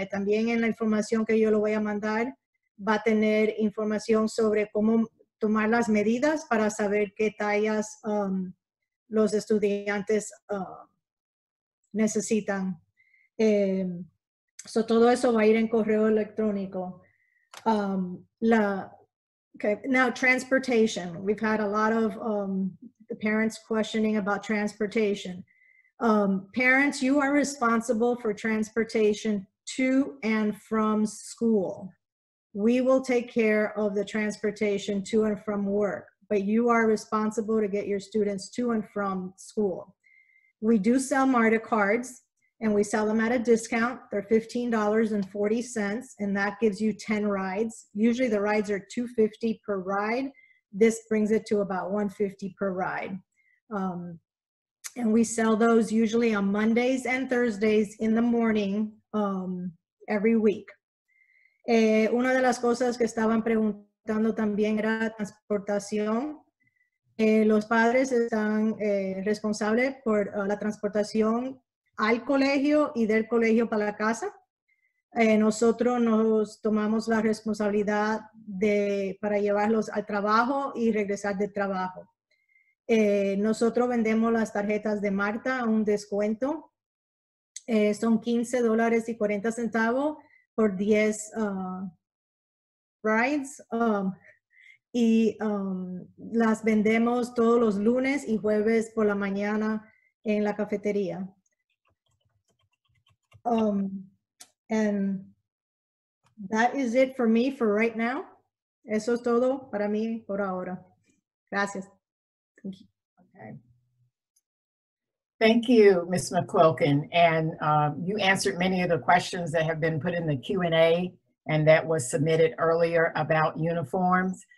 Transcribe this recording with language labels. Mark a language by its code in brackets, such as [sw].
[es] También en la información que yo lo voy a mandar, va a tener información sobre cómo tomar las medidas para saber qué tallas los estudiantes necesitan. So todo eso va a ir en correo electrónico. [en] Now, transportation. We've had a lot of the parents questioning about transportation. Parents, you are responsible for transportation to and from school. We will take care of the transportation to and from work, but you are responsible to get your students to and from school. We do sell MARTA cards, and we sell them at a discount. They're $15.40, and that gives you 10 rides. Usually the rides are $2.50 per ride. This brings it to about $1.50 per ride. And we sell those usually on Mondays and Thursdays in the morning every week. [es] Una de las cosas que estaban preguntando también era transportación. Los padres están responsables por la transportación al colegio y del colegio para la casa. Nosotros nos tomamos la responsabilidad para llevarlos al trabajo y regresar del trabajo. Nosotros vendemos las tarjetas de Marta a un descuento. Son $15.40 por 10 rides. Las vendemos todos los lunes y jueves por la mañana en la cafetería. [en] And that is it for me for right now. [es] Eso es todo para mí por ahora. Gracias. [en] Thank you. Thank you, Ms. McQuilkin, and you answered many of the questions that have been put in the Q&A and that was submitted earlier about uniforms.